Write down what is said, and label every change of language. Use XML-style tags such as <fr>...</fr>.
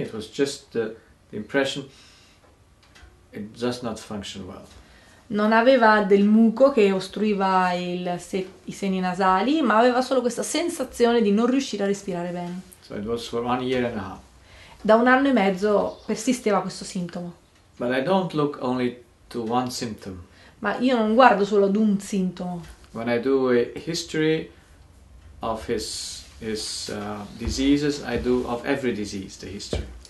<en>It was just the impression it does not function well.</en> <it>Non aveva del muco che ostruiva i seni nasali, ma aveva solo questa sensazione di non riuscire a respirare bene.</it> <en>So it was for 1 year and a half.</en> <it>Da un anno e mezzo persisteva questo sintomo.</it> <en>But I don't look only to one symptom.</en> <it>Ma io non guardo solo ad un sintomo.</it> <en>When I do a history of his diseases, I do of every disease the history.</en>